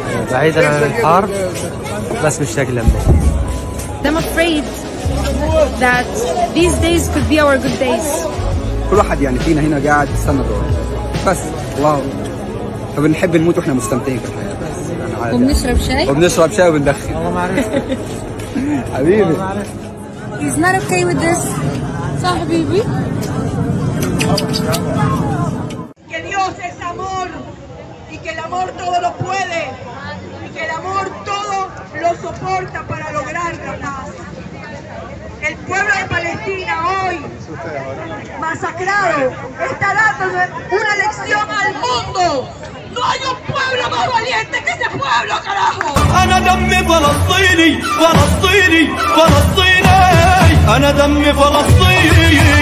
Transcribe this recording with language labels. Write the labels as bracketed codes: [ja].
[ar] بعيدا عن الحرب بس مشتاق لمه. [en] I'm afraid that these days could be our good days. [ar] كل واحد يعني فينا هنا قاعد يستنى دوره بس واو فبنحب نموت واحنا مستمتعين في الحياه. وبنشرب شاي وبندخن. والله ما عرفت حبيبي. والله ما [en] عرفت. He's not okay with this. [ar] صح حبيبي. [es] Que Dios es amor y que el amor todo lo puede y que el amor todo lo soporta para lograr la paz. El pueblo de Palestina hoy masacrado está dando una lección al mundo. No hay un pueblo más valiente que ese pueblo, carajo. [ar] أنا دمي فلسطيني فلسطيني فلسطيني. أنا دمي فلسطيني.